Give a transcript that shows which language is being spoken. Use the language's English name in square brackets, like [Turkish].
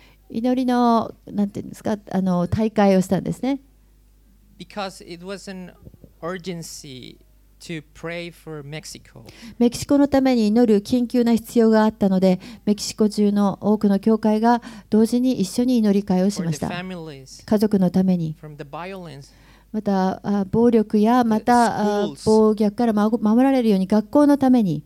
[Japanese] 祈りの、なんていうんですか、大会をしたんですね。 [English] because it was an urgency to pray for Mexico. [Japanese] メキシコのために祈る緊急な必要があったので、メキシコ中の多くの教会が同時に一緒に祈り会をしました。家族のために。また暴力やまた暴虐から守られるように学校のために。